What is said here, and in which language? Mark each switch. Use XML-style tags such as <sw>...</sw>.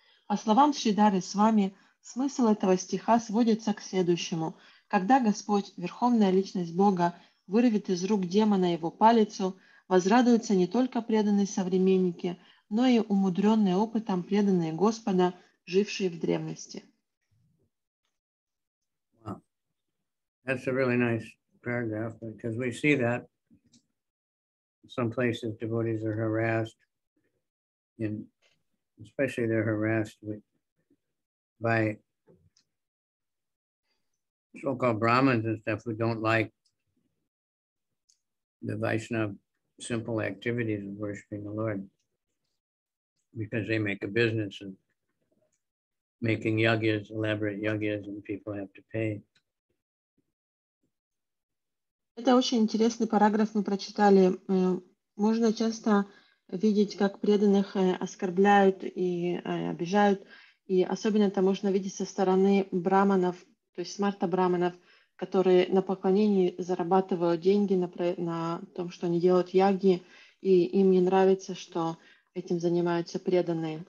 <ru>По словам Шридары Свами, смысл этого стиха сводится к следующему. Когда Господь, Верховная Личность Бога, вырвет из рук демона его палицу, возрадуются не только преданные современники, но и умудренные опытом преданные Господа, жившие в древности.</ru> <en>Wow. That's a really nice paragraph, because we see that in some places devotees are harassed, and especially they're harassed by so-called Brahmins and stuff who don't like the Vaishnava simple activities of worshiping the Lord, because they make a business of making yagyas, elaborate yagyas, and people have to pay.</en> <ru>Это очень интересный параграф мы прочитали. Можно часто видеть, как преданных оскорбляют и обижают, и особенно это можно видеть со стороны браманов, то есть смарта-браманов, которые на поклонении зарабатывают деньги на том, что они делают яги, и им не нравится, что этим занимаются преданные.</ru>